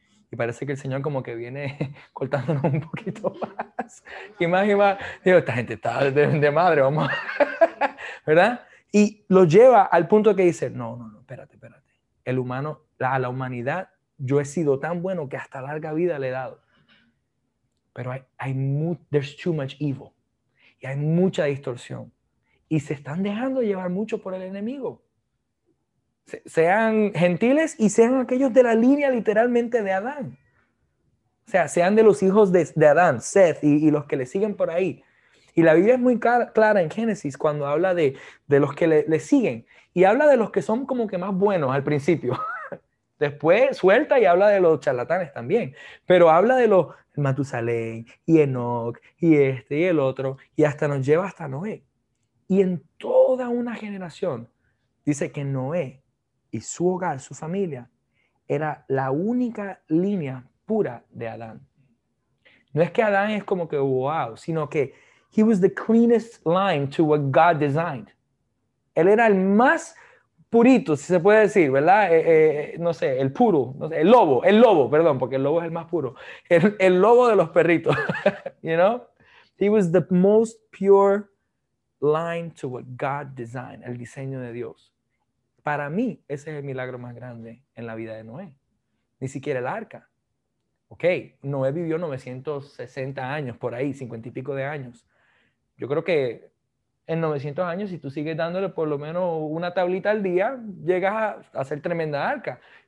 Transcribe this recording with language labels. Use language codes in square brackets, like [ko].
[es] Y parece que el Señor como que viene cortándonos un poquito más. Y más, digo, esta gente está de madre, vamos. ¿Verdad? Y lo lleva al punto que dice, no, espérate. El humano, la humanidad, yo he sido tan bueno que hasta larga vida le he dado. [en] Pero there's too much evil. [es] Y hay mucha distorsión. Y se están dejando llevar mucho por el enemigo. Sean gentiles y sean aquellos de la línea literalmente de Adán. O sea, sean de los hijos de Adán, Seth y los que le siguen por ahí. Y la Biblia es muy clara en Génesis cuando habla de los que le siguen. Y habla de los que son como que más buenos al principio. Después suelta y habla de los charlatanes también. Pero habla de los Matusalén y Enoch y este y el otro. Y hasta nos lleva hasta Noé. Y en toda una generación dice que Noé y su hogar, su familia, era la única línea pura de Adán. No es que Adán es como que wow, sino que [en] he was the cleanest line to what God designed. [es] Él era el más purito, si se puede decir, ¿verdad? No sé, el puro, no sé, el lobo, perdón, porque el lobo es el más puro. El lobo de los perritos, [en] you know? He was the most pure line to what God designed, [es] el diseño de Dios. Para mí, ese es el milagro más grande en la vida de Noé. Ni siquiera el arca. Ok, Noé vivió 960 años, por ahí, 50 y pico de años. Yo creo que en 900 años, si tú sigues dándole por lo menos una tablita al día, llegas a hacer tremenda arca.